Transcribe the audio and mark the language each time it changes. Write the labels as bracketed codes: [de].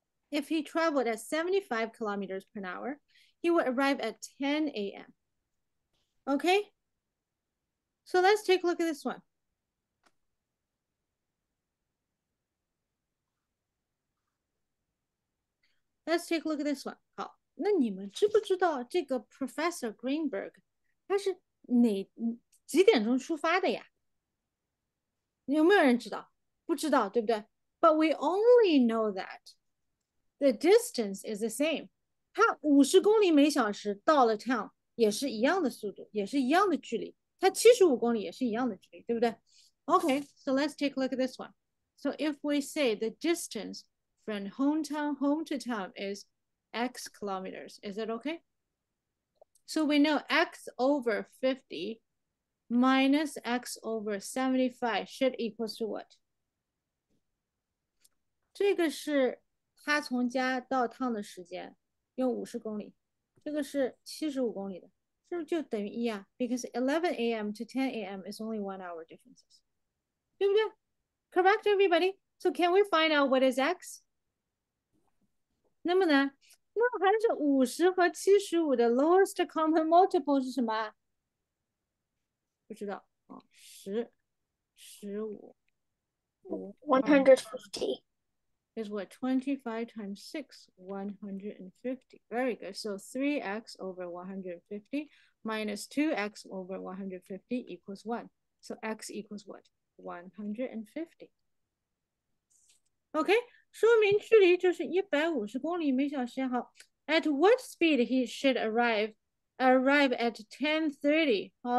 [en] If he traveled at 75 kilometers per hour, he would arrive at 10 a.m. Okay? So let's take a look at this one. Let's take a look at this one. [zh] 好,那你们知不知道这个 Professor Greenberg 他是哪几点钟出发的呀? 有没有人知道?不知道,对不对? [en] But we only know that the distance is the same. [zh] 他50公里每小时到了 town, 也是一样的速度，也是一样的距离，它75公里也是一样的距离，对不对？ [en] Okay, so let's take a look at this one. So if we say the distance from hometown home to town is X kilometers, is it okay? So we know X over 50 minus X over 75 should equals to what? [zh] 这个是他从家到趟的时间，用50公里。这个是75公里的，是不是就等于一啊？ [en] Because 11 a.m. to 10 a.m. is only 1 hour differences， [zh] 对不对？ [en] Correct everybody. So can we find out what is x？ [zh] 那么呢？那还是50和75的 lowest common multiple 是什么？不知道啊，十五 [en] 150. is what 25 times 6 150. Very good. So 3x over 150 minus 2x over 150 equals 1. So x equals what? 150. [zh] Okay, 说明距离就是150公里每小时. [en] At what speed he should arrive at 10:30.